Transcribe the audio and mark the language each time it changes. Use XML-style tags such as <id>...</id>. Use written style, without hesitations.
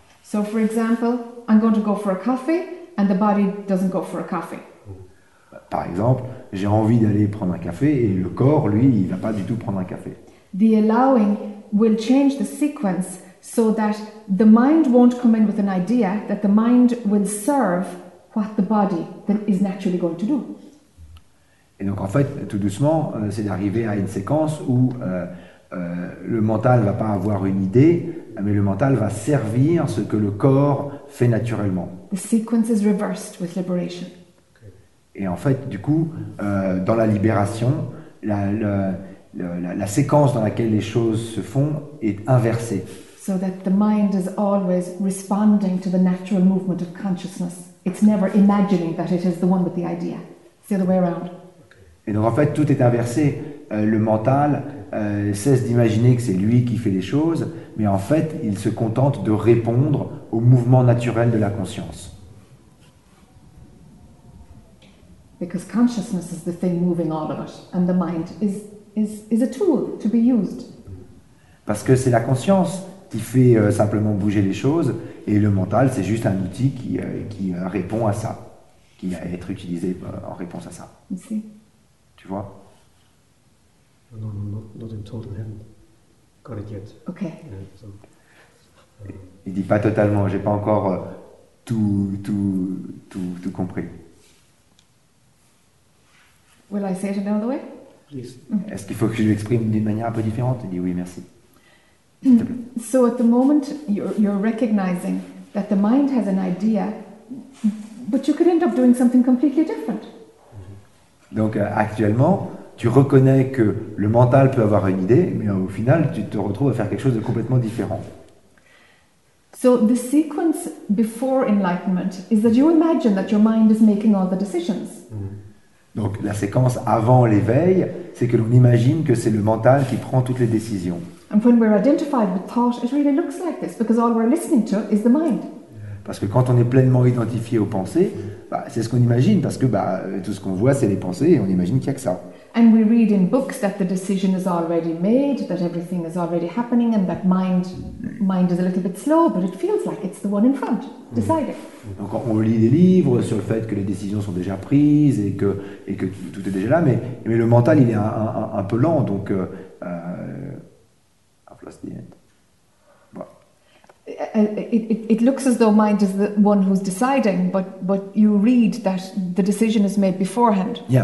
<en>So for example, I'm going to go for a coffee and the body doesn't go for a coffee.</en> <fr>Par exemple, j'ai envie d'aller prendre un café et le corps, lui, il va pas du tout prendre un café.</fr> <en>The allowing will change the sequence so that the mind won't come in with an idea, that the mind will serve what the body then is naturally going to do.</en> <fr>Et donc en fait, tout doucement, c'est d'arriver à une séquence où le mental va pas avoir une idée, mais le mental va servir ce que le corps fait naturellement.</fr> <en>The sequence is reversed with liberation.</en> <fr>Et en fait, du coup, dans la libération, la séquence dans laquelle les choses se font est inversée.</fr> <en>So that the mind is always responding to the natural movement of consciousness. It's never imagining that it is the one with the idea. It's the other way around.</en> <fr>Et donc en fait, tout est inversé. Le mental cesse d'imaginer que c'est lui qui fait les choses, mais en fait, il se contente de répondre au mouvement naturel de la conscience.</fr> <en>Because consciousness is the thing moving all of it, and the mind is a tool to be used.</en> <fr>Parce que c'est la conscience qui fait simplement bouger les choses, et le mental, c'est juste un outil qui répond à ça, qui va être utilisé en réponse à ça.</fr> <en>You see?</en> <fr>Tu vois?</fr> <en>Not in total, I haven't got it yet. Okay.</en> <fr>Il dit pas totalement, j'ai pas encore tout compris.</fr> <en>Will I say it another way? Please.</en> <fr>Est-ce qu'il faut que je l'exprime d'une manière un peu différente? Il dit oui, merci.</fr> <en>So at the moment, you're recognizing that the mind has an idea, but you could end up doing something completely different.</en> <fr>Donc actuellement, tu reconnais que le mental peut avoir une idée, mais au final, tu te retrouves à faire quelque chose de complètement différent.</fr> <en>So the sequence before enlightenment is that you imagine that your mind is making all the decisions.</en> <fr>Donc la séquence avant l'éveil, c'est que l'on imagine que c'est le mental qui prend toutes les décisions.</fr> <en>And when we're identified with thought, it really looks like this because all we're listening to is the mind.</en> <fr>Parce que quand on est pleinement identifié aux pensées, bah, c'est ce qu'on imagine parce que bah, tout ce qu'on voit, c'est les pensées et on imagine qu'il y a que ça.</fr> <en>And we read in books that the decision is already made, that everything is already happening, and that mind is a little bit slow, but it feels like it's the one in front, deciding.</en> <fr>Donc on lit des livres sur le fait que les décisions sont déjà prises et que tout est déjà là, mais le mental il est un peu lent, donc plus the end. Bon.</fr> <en>It looks as though mind is the one who's deciding, but you read that the decision is made beforehand.</en>